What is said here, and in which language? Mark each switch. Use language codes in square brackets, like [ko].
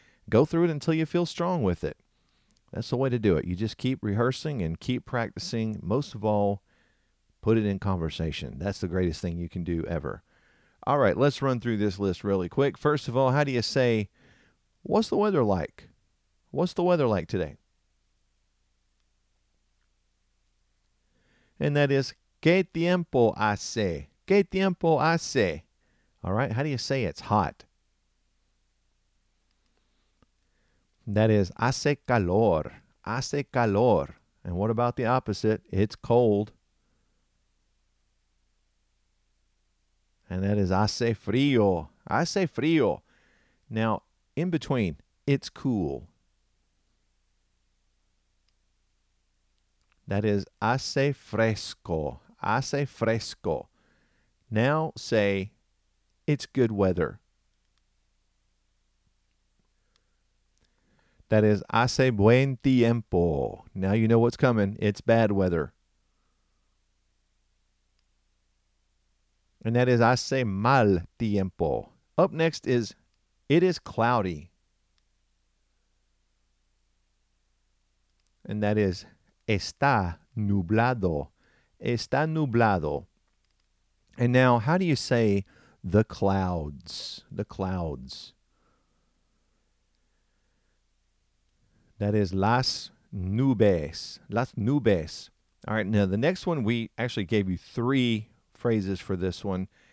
[en] Go through it until you feel strong with it. That's the way to do it. You just keep rehearsing and keep practicing. Most of all, put it in conversation. That's the greatest thing you can do ever. All right, let's run through this list really quick. First of all, how do you say, what's the weather like? What's the weather like today? And that is, [es] ¿qué tiempo hace? ¿Qué tiempo hace? [en] All right, how do you say it's hot? That is, [es] hace calor. Hace calor. [en] And what about the opposite? It's cold. And that is, [es] hace frío, hace frío. [en] Now, in between, it's cool. That is, [es] hace fresco, hace fresco. [en] Now say, it's good weather. That is, [es] hace buen tiempo. [en] Now you know what's coming, it's bad weather. And that is, [es] hace mal tiempo. [en] Up next is, it is cloudy. And that is, [es] está nublado. Está nublado. [en] And now, how do you say the clouds? The clouds. That is, [es] las nubes. Las nubes. [en] All right, now the next one, we actually gave you three phrases for this one.